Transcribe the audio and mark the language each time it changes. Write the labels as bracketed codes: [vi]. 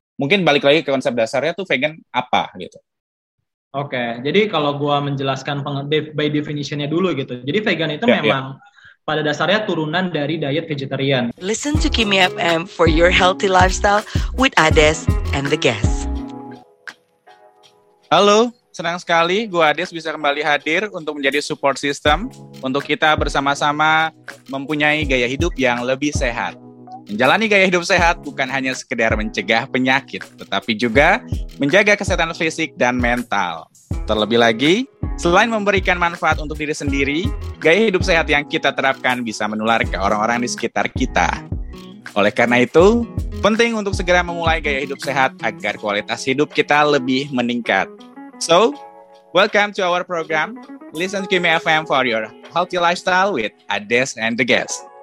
[id] Mungkin balik lagi ke konsep dasarnya tuh vegan apa gitu. Oke, jadi kalau gue menjelaskan by definition-nya dulu gitu. Jadi vegan itu memang pada dasarnya turunan dari diet vegetarian. [en] Listen to Kimi FM for your healthy lifestyle with Ades and the guests. [id] Halo, senang sekali gue Ades bisa kembali hadir untuk menjadi support system untuk kita bersama-sama mempunyai gaya hidup yang lebih sehat. Menjalani gaya hidup sehat bukan hanya sekedar mencegah penyakit, tetapi juga menjaga kesehatan fisik dan mental. Terlebih lagi, selain memberikan manfaat untuk diri sendiri, gaya hidup sehat yang kita terapkan bisa menular ke orang-orang di sekitar kita. Oleh karena itu, penting untuk segera memulai gaya hidup sehat agar kualitas hidup kita lebih meningkat. [en] So, welcome to our program, Listen to Kimi FM for your healthy lifestyle with Ades and the guests.